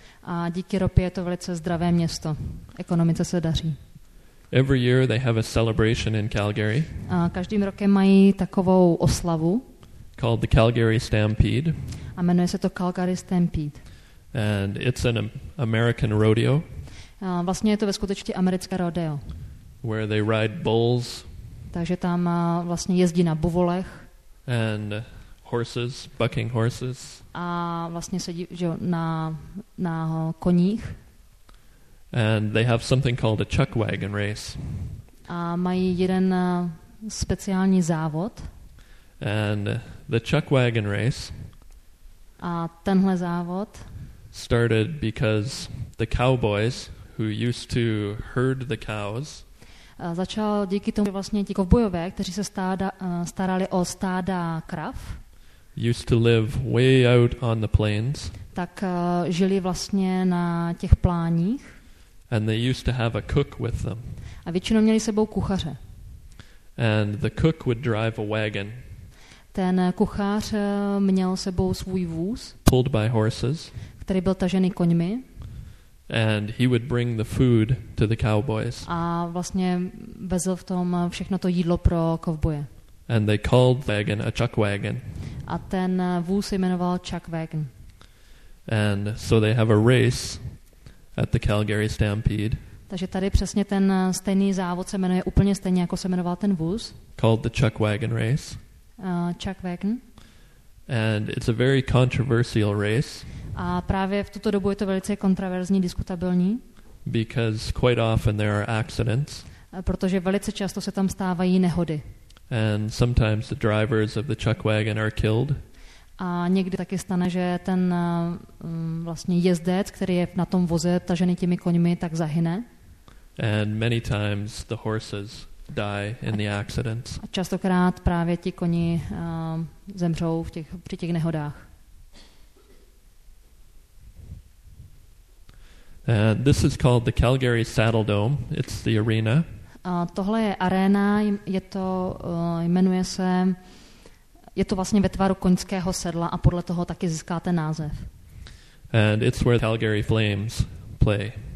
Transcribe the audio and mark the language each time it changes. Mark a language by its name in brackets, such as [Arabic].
[Czech] A díky ropě je to velice zdravé město. Ekonomice se daří. [English] Every year they have a celebration in Calgary. [Czech] A každým rokem mají takovou oslavu. [English] Called the Calgary Stampede. [Czech] A jmenuje se to Calgary Stampede. [English] And it's an American rodeo. [Czech] A vlastně je to ve skutečnosti americké rodeo. [English] Where they ride bulls. [Czech] Takže tam vlastně jezdí na buvolech. [English] And horses, bucking horses. [Czech] A vlastně sedí, že na koních. [English] And they have something called a chuck wagon race. [Czech] A mají jeden speciální závod. [English] And the chuck wagon race. [Czech] A tenhle závod [English] started because the cowboys who used to herd the cows. [Czech] Začal díky tomu, že vlastně ti kovbojové, kteří se starali o stáda krav. [English] Used to live way out on the plains. [Czech] Tak žili vlastně na těch pláních. [English] And they used to have a cook with them. [Czech] A většinou měli sebou kuchaře. [English] And the cook would drive a wagon. [Czech] Ten kuchař měl sebou svůj vůz. [English] Pulled by horses. [Czech] Který byl tažený koňmi. [English] And he would bring the food to the cowboys. [Czech] A vlastně vezl v tom všechno to jídlo pro kovboje. [English] And they called the wagon a chuck wagon. [Czech] A ten vůz jmenoval chuck wagon. [English] And so they have a race at the Calgary Stampede. [Czech] Takže tady přesně ten stejný závod se jmenuje úplně stejně jako se jmenoval ten vůz. [English] Called the chuck wagon race. Chuck wagon. And it's a very controversial race. [Czech] A právě v tuto dobu je to velice kontroverzní, diskutabilní. [English] Because quite often there are accidents. [Czech] Protože velice často se tam stávají nehody. [English] And sometimes the drivers of the chuck wagon are killed. [Czech] A někdy taky stane, že ten vlastně jezdec, který je na tom voze tažený těmi koňmi, tak zahyne. [English] And many times the horses die in the accidents. [Czech] A častokrát právě ti koni zemřou při těch nehodách. [English] And this is called the Calgary Saddle Dome. It's the arena. [Czech] Tohle je arena, je to jmenuje se, je to vlastně ve tvaru koňského sedla a podle toho taky získáte název. [English] And it's where Calgary Flames play.